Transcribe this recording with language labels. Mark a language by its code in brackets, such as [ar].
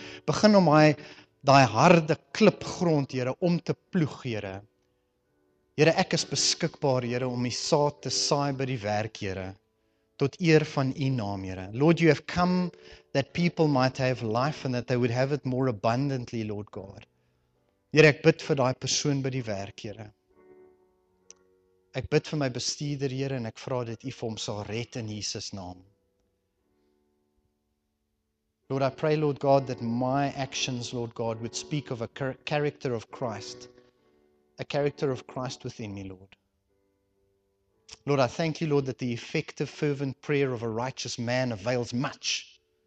[af] Begin om daai harde klipgrond, Here, om te ploeg, Here. Here, ek is beskikbaar, Here, om die saad te saai by die werk, Here, tot eer van u naam, Here. [en] Lord, you have come that people might have life and that they would have it more abundantly, Lord God. [af] Here, ek bid vir daai persoon by die werk, Here. Ek bid vir my bestuurder, Here, en ek vra dat u vir hom sal red in Jesus naam. [en] Lord, I pray, Lord God, that my actions, Lord God, would speak of a character of Christ, a character of Christ within me, Lord. Lord, I thank you, Lord, that the effective, fervent prayer of a righteous man avails much.